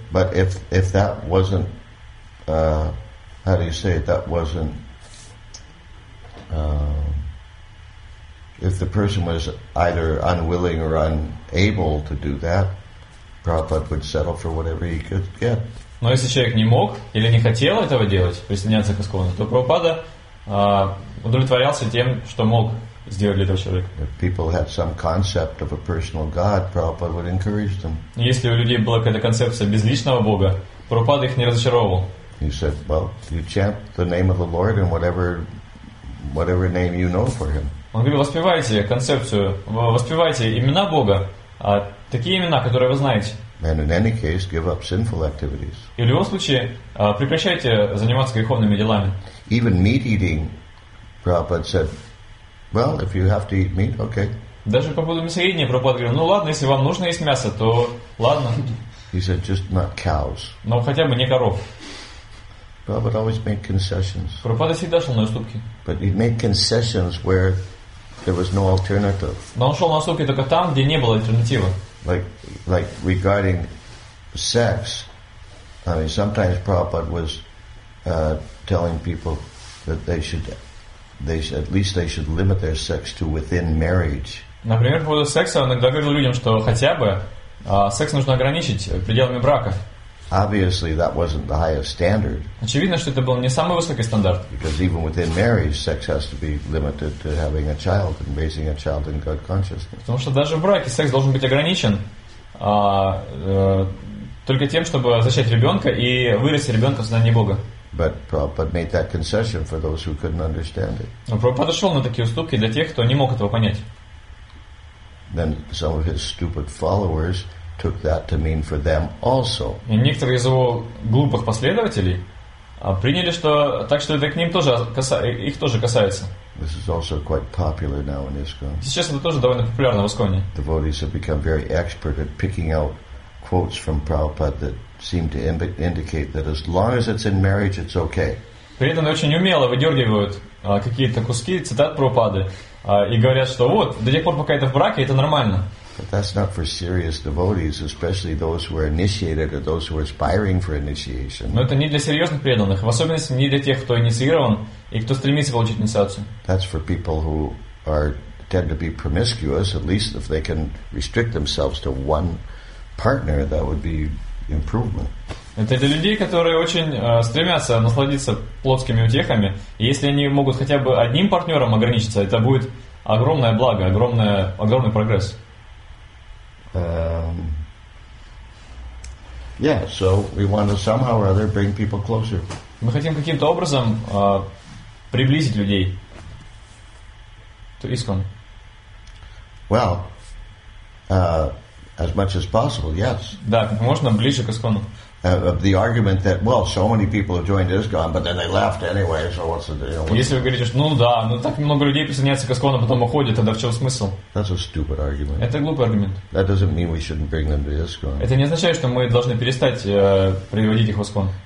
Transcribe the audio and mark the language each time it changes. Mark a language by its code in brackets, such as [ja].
[en] But if that wasn't, how do you say it? That wasn't, if the person was either unwilling or unable to do that, Prabhupada would settle for whatever he could get. [ru] Но если человек не мог или не хотел этого делать, присоединяться к ISKCON, то Прабхупада удовлетворялся тем, что мог сделать для этого человека. [en] If people had some concept of a personal God, Prabhupada would encourage them. [ru] Если у людей была какая-то концепция безличного Бога, Прабхупада их не разочаровывал. [en] He said, "Well, you chant the name of the Lord and whatever name you know for Him." [ru] Он говорит, воспевайте концепцию, воспевайте имена Бога, а такие имена, которые вы знаете. [en] And in any case, give up sinful activities. [ru] И в любом случае, прекращайте заниматься греховными делами. [en] Even meat eating, Prabhupada said, "Well, if you have to eat meat, okay." [ru] Даже по поводу мясоедения Прабхупада говорил, ну ладно, если вам нужно есть мясо, то ладно. [en] He said, "Just not cows." [ru] Но хотя бы не коров. [en] Prabhupada always made concessions. [ru] Прабхупада всегда шел на уступки. [en] But he made concessions where there was no alternative. [ru] Но он шел на уступки только там, где не было альтернативы. [en] Like regarding sex, I mean, sometimes Prabhupada was telling people that they should limit their sex to within marriage. [ru] Например, по поводу секса он иногда говорил людям, что хотя бы секс нужно ограничить пределами брака. [en] Obviously, that wasn't the highest standard. [ru] Очевидно, что это был не самый высокий стандарт. [en] Because even within marriage, sex has to be limited to having a child and raising a child in God consciousness. [ru] Потому что даже в браке секс должен быть ограничен только тем, чтобы зачать ребенка и вырасти ребенка в знании Бога. [en] But Prabhupada made that concession for those who couldn't understand it. [ru] Но Прабхупада шел на такие уступки для тех, кто не мог этого понять. [en] Then some of his stupid followers took that to mean for them also. [ru] И некоторые из его глупых последователей приняли, что так что это к ним тоже их тоже касается. [en] This is also quite popular now in ISKCON. [ru] Сейчас это тоже довольно популярно в ИСКОНе. [en] Devotees have become very expert at picking out quotes from Prabhupada that seem to indicate that as long as it's in marriage, it's okay. [ru] При этом очень умело выдергивают какие-то куски цитат Прабхупады и говорят, что вот до тех пор, пока это в браке, это нормально. [en] But that's not for serious devotees, especially those who are initiated or those who are aspiring for initiation. [ru] Но это не для серьезных преданных, в особенности не для тех, кто инициирован и кто стремится получить инициацию. [en] That's for people who are tend to be promiscuous. At least if they can restrict themselves to one partner, that would be improvement. [ru] Это для людей, которые очень стремятся насладиться плотскими утехами. И если они могут хотя бы одним партнером ограничиться, это будет огромное благо, огромный прогресс. [en] Yeah, so we want to somehow or other bring people closer. [ru] Мы хотим каким-то образом приблизить людей. [en] To ISKCON. Well, as much as possible, yes. [ru] Да, как можно ближе к ИСКОНу. [en] The argument that, well, so many people have joined ISKCON, but then they left anyway, so what's the deal? [ru] Если вы говорите, что, ну да, но так много людей присоединяется к ИСКОНу, потом уходит, тогда в чем смысл? [en] That's a stupid argument. [ru] Это глупый аргумент. [en] That doesn't mean we shouldn't bring them to ISKCON. [ru] Это не означает, что мы должны перестать приводить их в ИСКОН.